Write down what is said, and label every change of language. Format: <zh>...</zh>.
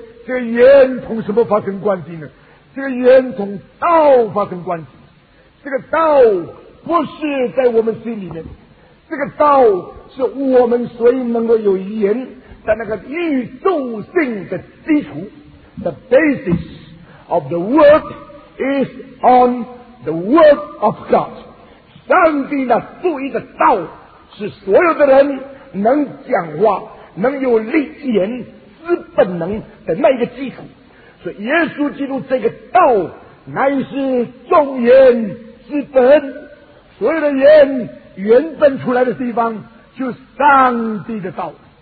<zh>这个言从什么发生关系呢？这个言从道发生关系。这个道不是在我们心里面，这个道是我们所以能够有言在那个宇宙性的基础。</zh> <en>The basis of the word is on the word of God。</en> <zh>上帝的注意的道是所有的人能讲话，能有立言之本能的那一个基础。所以耶稣基督这个道乃是众言之本，所有的言原本出来的地方就是上帝的道。</zh>